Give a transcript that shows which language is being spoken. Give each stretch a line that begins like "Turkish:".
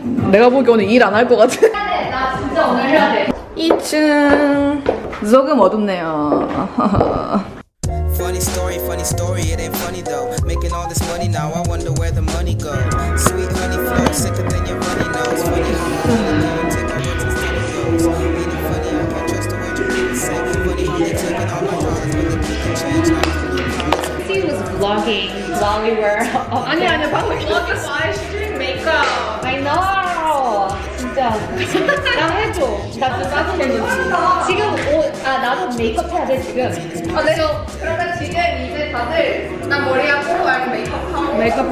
Korean: 내가 보기 오늘 일 안 할 것 같아. 해야 돼, 나 진짜 오늘 해야 돼. 2층! 조금 어둡네요.
English: Funny story, it ain't funny though. Making all this money now, I wonder where the money go. Sweet honey flow, sicker than your money knows. Funny how they tell it all to studios. Ain't it funny, I can't trust the word you say. Funny how they take it all my dollars, but they keep the change. She was vlogging while we were.
Korean: 아니 아니 방금 vlogging 와이스트 메이크업.
English: I know.
Korean: 진짜. 나 해줘. 나 좀 싸주겠는데. 지금 옷, 아 나도 메이크업 해야 돼 지금. 아 네. 그러면 지금 이제 다들 나 머리 하고 말고 메이크업 하고.